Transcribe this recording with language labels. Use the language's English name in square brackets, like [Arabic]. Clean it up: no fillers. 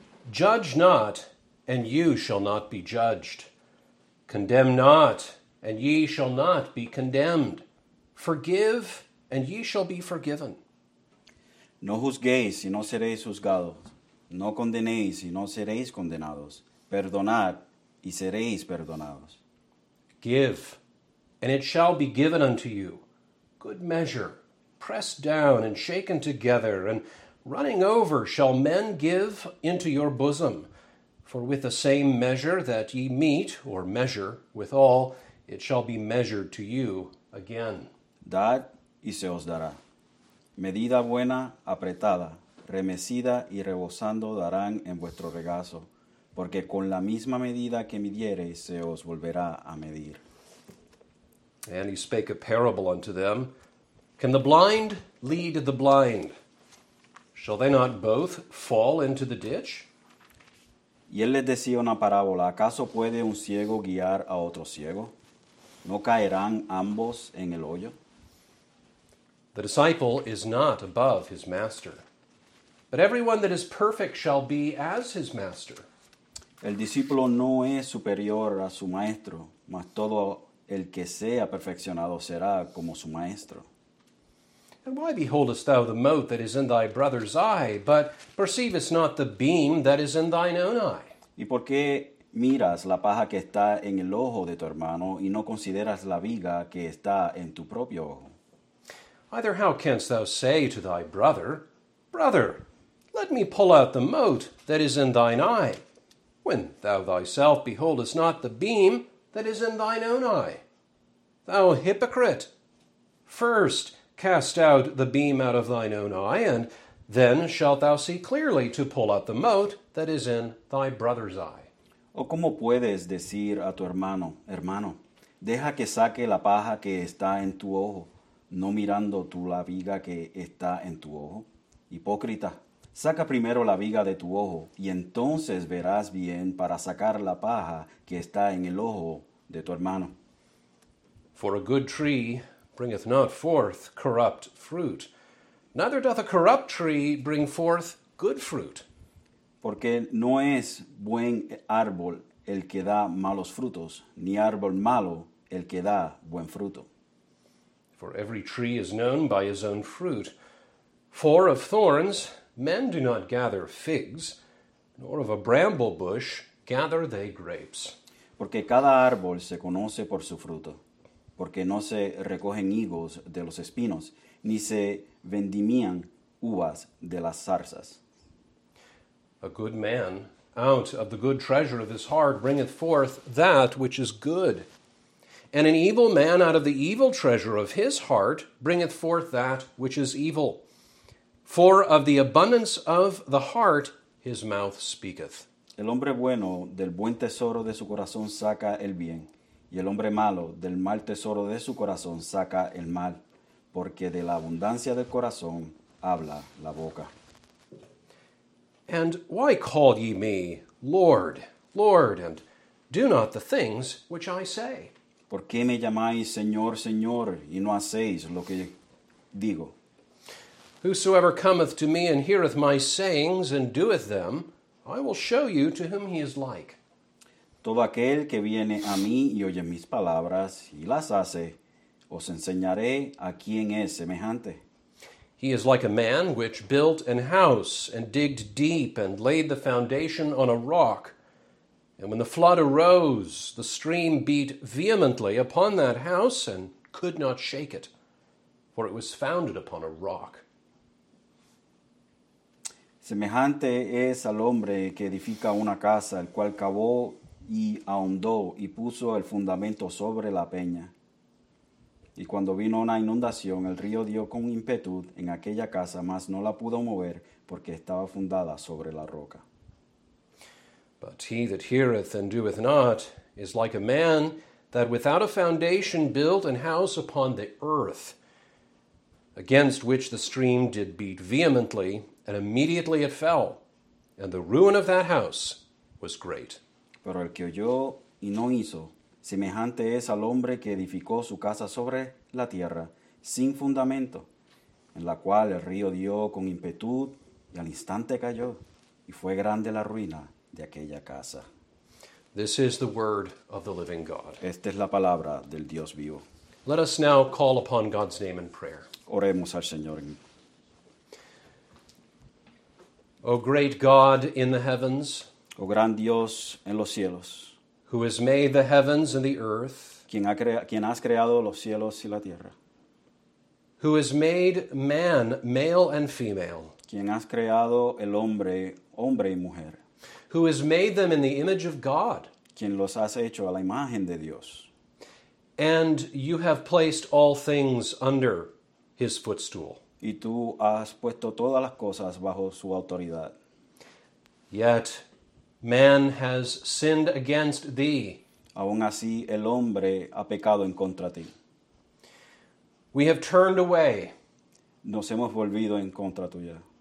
[English] Judge not, and you shall not be judged. Condemn not, and ye shall not be condemned. Forgive, and ye shall be forgiven. [Spanish] No juzguéis, y no seréis juzgados. No condenéis, y no seréis condenados. Perdonad, y seréis perdonados. [English] Give, and it shall be given unto you. Good measure. Pressed down and shaken together, and running over shall men give into your bosom. For with the same measure that ye meet, or measure withal, it shall be measured to you again. [Spanish] Dad y se os dará. Medida buena, apretada, remecida y rebosando darán en vuestro regazo, porque con la misma medida que midiereis se os volverá a medir. [English] And he spake a parable unto them. Can the blind lead the blind? Shall they not both fall into the ditch? [Spanish] Y él les decía una parábola. ¿Acaso puede un ciego guiar a otro ciego? ¿No caerán ambos en el hoyo? [English] The disciple is not above his master, but everyone that is perfect shall be as his master. [Spanish] El discípulo no es superior a su maestro, mas todo el que sea perfeccionado será como su maestro. [English] And why beholdest thou the mote that is in thy brother's eye, but perceivest not the beam that is in thine own eye? [Spanish] ¿Y por qué miras la paja que está en el ojo de tu hermano, y no consideras la viga que está en tu propio ojo? [English] Either how canst thou say to thy brother, Brother, let me pull out the mote that is in thine eye, when thou thyself beholdest not the beam that is in thine own eye? Thou hypocrite, first cast out the beam out of thine own eye, and then shalt thou see clearly to pull out the mote that is in thy brother's eye. [Spanish] ¿O cómo puedes decir a tu hermano, hermano, deja que saque la paja que está en tu ojo, no mirando tú la viga que está en tu ojo? Hipócrita, saca primero la viga de tu ojo, y entonces verás bien para sacar la paja que está en el ojo de tu hermano. [English] For a good tree bringeth not forth corrupt fruit, neither doth a corrupt tree bring forth good fruit. [Spanish] Porque no es buen árbol el que da malos frutos, ni árbol malo el que da buen fruto. [English] For every tree is known by his own fruit. For of thorns men do not gather figs, nor of a bramble bush gather they grapes. [Spanish] Porque cada árbol se conoce por su fruto. Porque no se recogen higos de los espinos, ni se vendimian uvas de las zarzas. [English] A good man out of the good treasure of his heart bringeth forth that which is good. And an evil man out of the evil treasure of his heart bringeth forth that which is evil. For of the abundance of the heart his mouth speaketh. [Spanish] El hombre bueno del buen tesoro de su corazón saca el bien. Y el hombre malo del mal tesoro de su corazón saca el mal. Porque de la abundancia del corazón habla la boca. [English] And why call ye me Lord, Lord, and do not the things which I say? [Spanish] ¿Por qué me llamáis Señor, Señor, y no hacéis lo que digo? [English] Whosoever cometh to me and heareth my sayings and doeth them, I will show you to whom he is like. [Spanish] Todo aquel que viene a mí y oye mis palabras y las hace, os enseñaré a quién es semejante. [English] He is like a man which built an house and digged deep and laid the foundation on a rock. And when the flood arose, the stream beat vehemently upon that house and could not shake it, for it was founded upon a rock. [Spanish] Semejante es al hombre que edifica una casa, el cual cavó y ahondó y puso el fundamento sobre la peña. Y cuando vino una inundación, el río dio con ímpetu en aquella casa, mas no la pudo mover porque estaba fundada sobre la roca. [English] But he that heareth and doeth not is like a man that without a foundation built an house upon the earth, against which the stream did beat vehemently, and immediately it fell, and the ruin of that house was great. [Spanish] Pero el que oyó y no hizo, semejante es al hombre que edificó su casa sobre la tierra, sin fundamento, en la cual el río dio con ímpetu, y al instante cayó, y fue grande la ruina de aquella casa. [English] This is the word of the living God. [Spanish] Esta es la palabra del Dios vivo. [English] Let us now call upon God's name in prayer. [Spanish] Oremos al Señor. [English] O great God in the heavens, [Spanish] O gran Dios en los cielos, [English] who has made the heavens and the earth, [Spanish] quien has creado los cielos y la tierra, [English] who has made man male and female, [Spanish] quien has creado el hombre, hombre y mujer, [English] who has made them in the image of God, [Spanish] quien los has hecho a la imagen de Dios, [English] and you have placed all things under his footstool. [Spanish] Y tú has puesto todas las cosas bajo su autoridad. [English] Yet man has sinned against thee. [Spanish] Aun así, el hombre ha pecado en contra ti. [English] We have turned away. [Spanish] Nos hemos volvido en contra tuya.